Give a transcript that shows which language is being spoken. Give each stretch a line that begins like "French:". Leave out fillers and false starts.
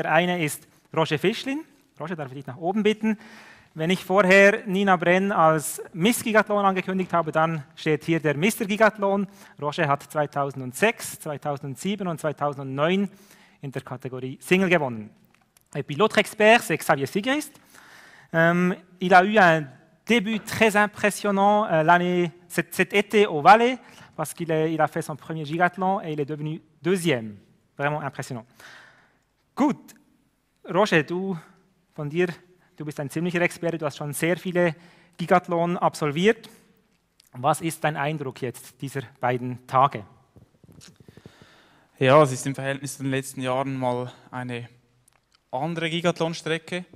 German: Der eine ist Roger Fischlin. Roger, darf ich dich nach oben bitten? Wenn ich vorher Nina Brenn als Miss Gigathlon angekündigt habe, dann steht hier der Mr. Gigathlon. Roger hat 2006, 2007 und 2009 in der Kategorie Single gewonnen.
French: Ein Pilot-Expert, c'est Xavier Sigrist. Il a eu un début très impressionnant cet été au Valais, parce qu'il a fait son premier Gigathlon et il est devenu deuxième. Vraiment impressionnant.
German: Gut, Roger, du bist ein ziemlicher Experte, du hast schon sehr viele Gigathlon absolviert. Was ist dein Eindruck jetzt dieser beiden Tage? Ja, es ist im Verhältnis zu den letzten Jahren mal eine andere Gigathlon-Strecke.